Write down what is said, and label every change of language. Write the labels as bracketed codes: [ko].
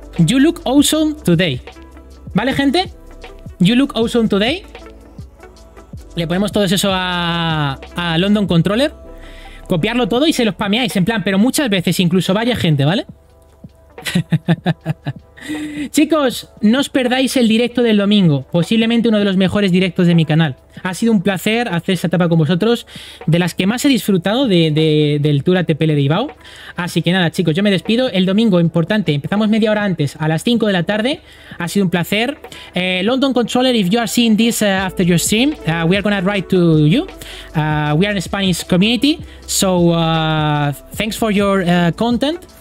[en] You look awesome today. [es] ¿Vale, gente? [en] You look awesome today. [es] le ponemos todo eso a London Controller, copiarlo todo y se lo spameáis, en plan, pero muchas veces, incluso vaya gente, ¿vale? Chicos, no os perdáis el directo del domingo, posiblemente uno de los mejores directos de mi canal. Ha sido un placer hacer esta etapa con vosotros, de las que más he disfrutado del Tour ATPL de Ibao. Así que nada, chicos, yo me despido. El domingo, importante, empezamos media hora antes, a las 5 de la tarde. Ha sido un placer. [en] London Controller, if you are seeing this after your stream, we are gonna write to you. We are in Spanish community, so thanks for your content.